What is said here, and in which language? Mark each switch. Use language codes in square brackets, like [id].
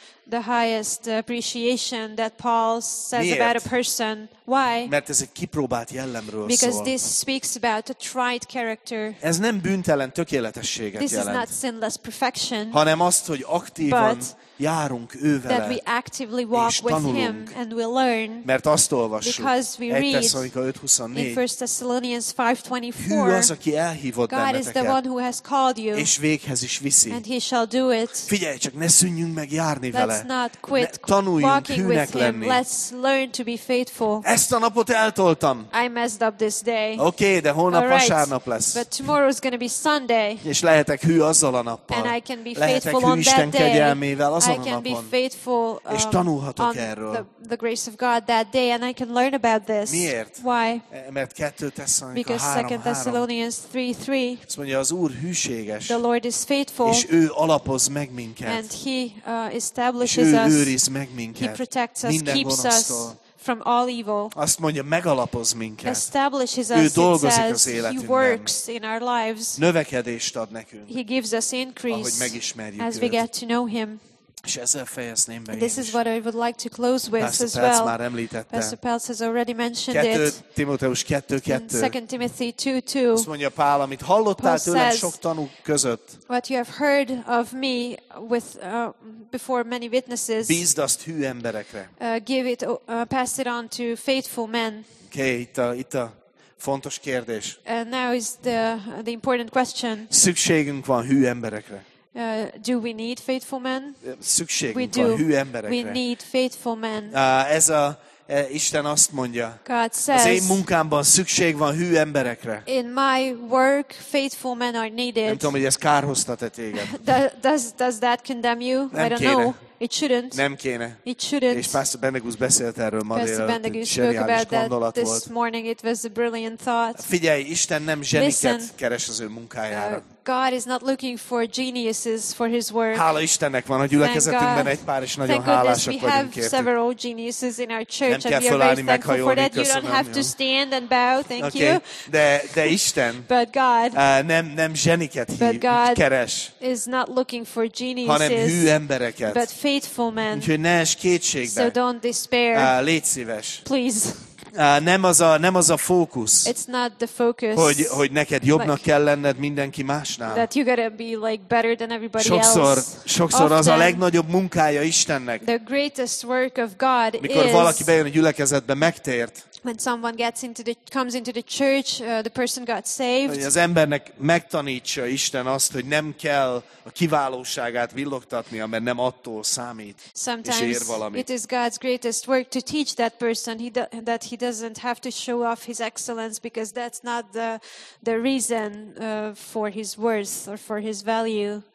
[en] The highest appreciation that Paul says. [hu] Miért? [en] About a person. Why? [hu] Mert ez egy kipróbált jellemről szól. [en] Because this speaks about a tried character. [hu] Ez nem bűntelen tökéletességet [en] this [hu] jelent. [en] This is not sinless perfection. [hu] Hanem azt, hogy aktívan járunk ő vele, [en] that we actively walk with him and we learn. [hu] Mert azt olvassuk. [en] Because we read 1 Thessalonians 5:24. In 1 Thessalonians 5:24. [hu] Hű az, aki elhívott [en] God [hu] benneteket. [en] God is the one who has called you. [hu] És véghez is viszi. [en] And he shall do it. [hu] Figyelj csak, ne szűnjünk meg járni vele. [en] Let's not quit walking with him. Let's learn to be faithful. [hu] Ezt a napot eltoltam. [en] I messed up this day. [hu] Okay, de holnap vasárnap lesz. [en] But tomorrow is going to be Sunday. [hu] És lehetek hű azzal a nappal. And I can be faithful on that day. Lehetek hű Isten kegyelmével. [en] I can be faithful [hu] és tanulhatok erről. [en] The grace of God that day, and I can learn about this. [hu] Miért? [en] Why? [hu] Mert 2 Thessalonica [en] 3:3. Because 2 Thessalonians 3:3. [hu] Azt mondja, az Úr hűséges. [en] The Lord is faithful. [hu] És ő alapoz meg minket. [en] And he establishes [hu] és ő [en] us. [hu] És őriz meg minket. [en] He protects us, keeps us from all evil. [hu] Azt mondja, megalapoz minket. [en] Establishes [hu] ő dolgozik az életünkben. [en] He works in our lives. [hu] Növekedést ad nekünk. [en] He gives us increase. [hu] Ahogy megismerjük [en] as [hu] őt. [en] We get to know him. [hu] És ezzel fejezném be. [en] This is what I would like to close with as well. [hu] Már említette. [en] Pastor Peltz has already mentioned it. [hu] 2 Timóteus 2:2. [en] 2 Timothy 2:2. [hu] Azt mondja Pál, amit hallottál tőlem sok tanú között. [en] What you have heard of me with before many witnesses. [hu] Bízd azt hű emberekre. [en] Give it, pass it on to faithful men. [hu] Okay, itt a fontos kérdés. [en] And now is the important question. [hu] Szükségünk van hű emberekre. [en] Do we need faithful men? [hu] Szükségünk [en] we do. [hu] A hű emberekre. [en] We need faithful men. [hu] Isten azt mondja. [en] God says, [hu] az én munkámban szükség van hű emberekre. [en] In my work, faithful men are needed. [hu] Nem tudom, hogy ez kárhoztat-e téged. [en] Does that condemn you? [hu] Nem [en] I don't [hu] kéne. [en] Know. It shouldn't. [hu] Nem kéne. [en] It shouldn't. [hu] És Pastor Benegus beszélt erről ma délelőtt. [en] Pastor Benegus spoke about that this morning. It was a brilliant thought. [hu] Figyelj, Isten nem zseniket keres az ő munkájára. [en] God is not looking for geniuses for his work. [hu] Hála Istennek van a gyülekezetünkben egy pár, és nagyon hálásak vagyunk értük. [en] We have several geniuses in our church. [hu] Nem kell felállni, meghajolni, köszönöm. [en] You don't have to stand and bow, thank you. [hu] De Isten nem zseniket keres. [en] But God is not looking for geniuses. [hu] Hanem hű embereket. [en] But faithful man. [hu] Úgyhogy ne esj kétségbe. [en] So don't despair. [hu] Légy szíves. [en] Please. [hu] Nem az a fókusz. [en] It's not the focus. [hu] Hogy neked jobbnak [en] like, [hu] kell lenned mindenki másnál. [en] That you gotta be like better than everybody [hu] sokszor, [en] else. [hu] Sokszor [en] often, [hu] az a legnagyobb munkája Istennek. [en] The greatest work of God is. [hu] Mikor valaki bejön a gyülekezetbe megtért. [en] When someone comes into the church, the person got saved. [hu] Az embernek megtanítsa Isten azt, hogy nem kell a kiválóságát villogtatnia, mert nem attól számít [en] sometimes [hu] és ér valamit. [en] It is God's greatest work to teach that person that he doesn't have to show off his excellence because that's not the reason for his worth or for his value.